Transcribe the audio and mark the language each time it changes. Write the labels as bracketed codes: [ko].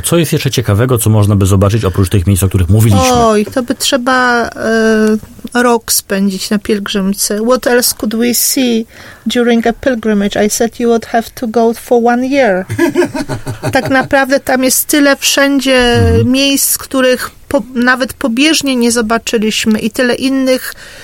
[pl] Co jest jeszcze ciekawego, co można by zobaczyć oprócz tych miejsc, o których mówiliśmy? Oj, to by trzeba rok spędzić na pielgrzymce. [en] What else could we see during a pilgrimage? I said you would have to go for one year. [pl] Tak naprawdę tam jest tyle wszędzie miejsc, których nawet pobieżnie nie zobaczyliśmy i tyle innych.